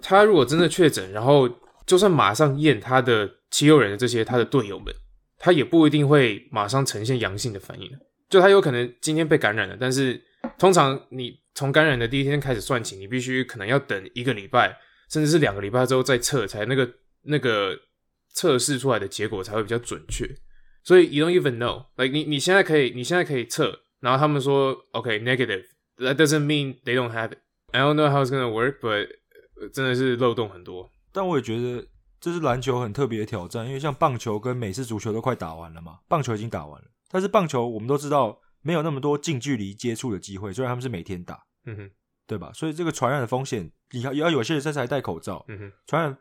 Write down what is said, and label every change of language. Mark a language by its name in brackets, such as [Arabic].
[Chinese] 他如果真的确诊，然后就算马上验他的七六人的这些他的队友们，他也不一定会马上呈现阳性的反应。就他有可能今天被感染了，但是通常你从感染的第一天开始算起，你必须可能要等一个礼拜，甚至是两个礼拜之后再测，才那个测试出来的结果才会比较准确。 [English] 所以 you don't even know， like [Chinese] 你现在可以测，然后他们说 [English] OK negative， that doesn't mean they don't have it， I don't know how it's gonna work， but [Chinese] 真的是漏洞很多。但我也觉得这是篮球很特别的挑战，因为像棒球跟美式足球都快打完了嘛，棒球已经打完了，但是棒球我们都知道没有那么多近距离接触的机会，虽然他们是每天打，嗯哼，对吧？所以这个传染的风险，你要有些人甚至还戴口罩，嗯哼，